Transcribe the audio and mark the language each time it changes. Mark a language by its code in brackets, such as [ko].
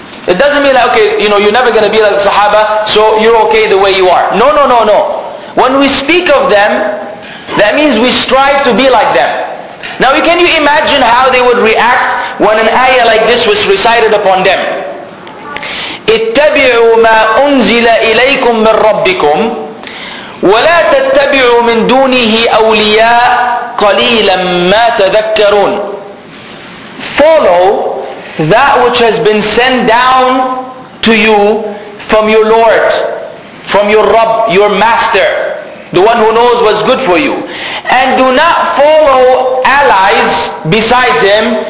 [en] It doesn't mean like, okay, you know, you're never going to be like the Sahaba, so you're okay the way you are. No. When we speak of them, that means we strive to be like them. Now, can you imagine how they would react when an ayah like this was recited upon them? [ar] اتبعوا ما أنزل إليكم من ربكم ولا تتبعوا من دونه أولياء قليلا ما تذكرون. [en] Follow that which has been sent down to you from your Lord, from your Rabb, your Master, the one who knows what's good for you. And do not follow allies besides him.